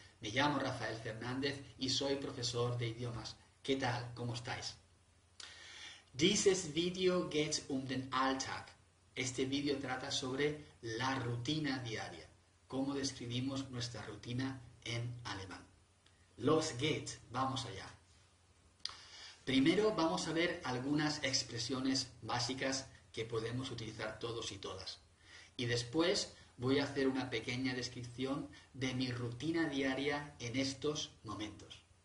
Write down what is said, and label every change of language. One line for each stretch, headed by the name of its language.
Spanish: Me llamo Rafael Fernández y soy profesor de idiomas. ¿Qué tal? ¿Cómo estáis?
German: Dieses Video geht um den Alltag.
Spanish: Este Video trata sobre la rutina diaria. ¿Cómo describimos nuestra rutina en alemán?
German: Los geht's,
Spanish: vamos allá. Primero vamos a ver algunas expresiones básicas que podemos utilizar todos y todas. Y después voy a hacer una pequeña descripción de mi rutina diaria en estos momentos.